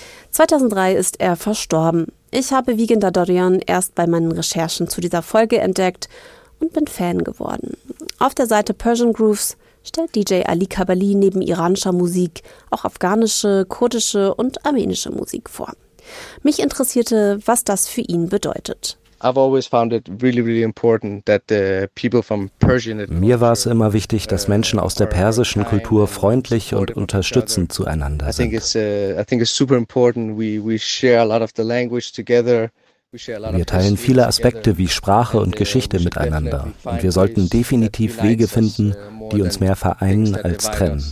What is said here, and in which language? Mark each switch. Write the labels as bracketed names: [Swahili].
[German] 2003 ist er verstorben. Ich habe Vigen Dadoryan erst bei meinen Recherchen zu dieser Folge entdeckt und bin Fan geworden. Auf der Seite Persian Grooves stellt DJ Ali Kabali neben iranischer Musik auch afghanische, kurdische und armenische Musik vor. Mich interessierte, was das für ihn bedeutet. [English] I've always found it really, really important that the people from Persian. [German] Mir war es immer wichtig, dass Menschen aus der persischen Kultur freundlich und unterstützend zueinander sind. [English] I think it's super important. We share a lot of the language together. [German] Wir teilen viele Aspekte wie Sprache und Geschichte miteinander. Und wir sollten definitiv Wege finden, die uns mehr vereinen als trennen.